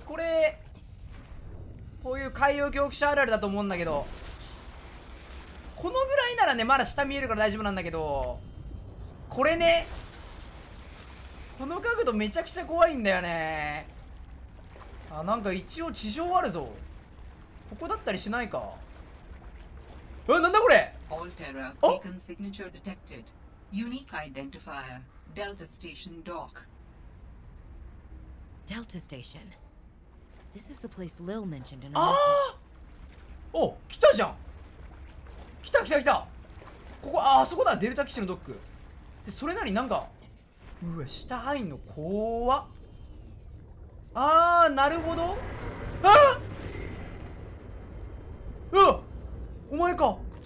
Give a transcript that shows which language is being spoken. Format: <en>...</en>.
<ja>これこういう海洋恐怖症あるあるだと思うんだけど、このぐらいならね、まだ下見えるから大丈夫なんだけど、これね、この角度めちゃくちゃ怖いんだよね。あ、なんか一応地上あるぞ。ここだったりしないか。え、なんだこれ。</ja> <en>オルテラビーコンシグネチャーディテクテッド、ユニークアイデンティファイア、デルタステーションドック。デルタステーション、 This is the place Lil mentioned in a message。</en> <ja>あー、お、来たじゃん、来た来た来た、ここ。あー、そこだ、デルタ基地のドック。で、それなりなんか、うわ、下入んの怖っ。あー、なるほど。あっ、うわ、お前か。</ja>